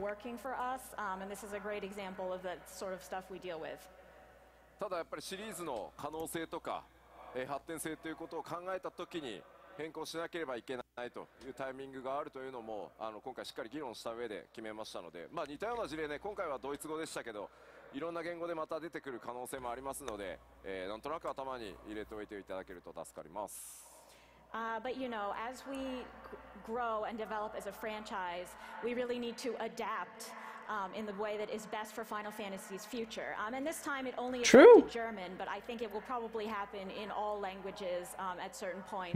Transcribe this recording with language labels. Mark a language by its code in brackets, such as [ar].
[en] Working for us, and this is a great example of the sort of stuff we deal with. [ja] ただやっぱりシリーズの可能性とか発展性ということを考えたときに。変更しなければいけないというタイミングがあるというのも今回しっかり議論した上で決めましたので、まあ、似たような事例ね今回はドイツ語でしたけどいろんな言語でまた出てくる可能性もありますので、なんとなく頭に入れておいていただけると助かります。 [en] But you know, as we grow and develop as a franchise, we really need to adapt in the way that is best for Final Fantasy's future. And this time it only affected German, but I think it will probably happen in all languages at certain points.